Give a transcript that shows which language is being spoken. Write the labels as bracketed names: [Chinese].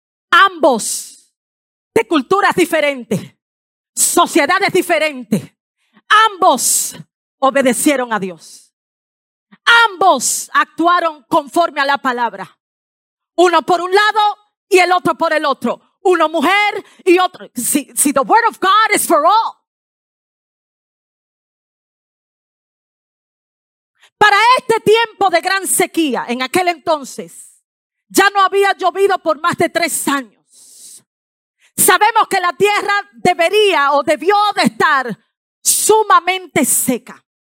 [Spanish] Ambos, de culturas diferentes, sociedades diferentes, ambos obedecieron a Dios. Ambos actuaron conforme a la palabra. Uno por un lado y el otro por el otro. Uno mujer y otro. [English] See, the word of God is for all. [Spanish] Para este tiempo de gran sequía, en aquel entonces, ya no había llovido por más de 3 años. Sabemos que la tierra debería o debió de estar sumamente seca.